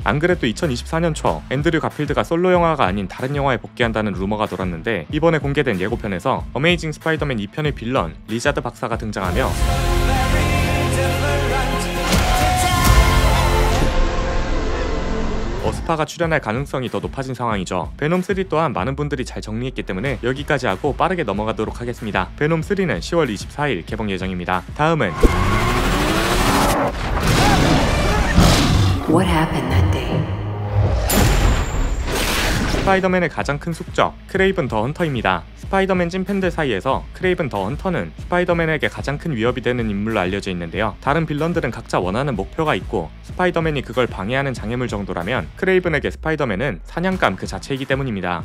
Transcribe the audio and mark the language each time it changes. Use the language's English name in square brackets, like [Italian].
[Korean] 안 그래도 2024년 초 앤드류 가필드가 솔로 영화가 아닌 다른 영화에 복귀한다는 루머가 돌았는데 이번에 공개된 예고편에서 어메이징 스파이더맨 2편의 빌런 리자드 박사가 등장하며 어스파가 출연할 가능성이 더 높아진 상황이죠. 베놈3 또한 많은 분들이 잘 정리했기 때문에 여기까지 하고 빠르게 넘어가도록 하겠습니다. 베놈3는 10월 24일 개봉 예정입니다. 다음은 [English] What happened that day? [Korean] 스파이더맨의 가장 큰 숙적, 크레이븐 더 헌터입니다. 스파이더맨 찐팬들 사이에서 크레이븐 더 헌터는 스파이더맨에게 가장 큰 위협이 되는 인물로 알려져 있는데요. 다른 빌런들은 각자 원하는 목표가 있고 스파이더맨이 그걸 방해하는 장애물 정도라면 크레이븐에게 스파이더맨은 사냥감 그 자체이기 때문입니다.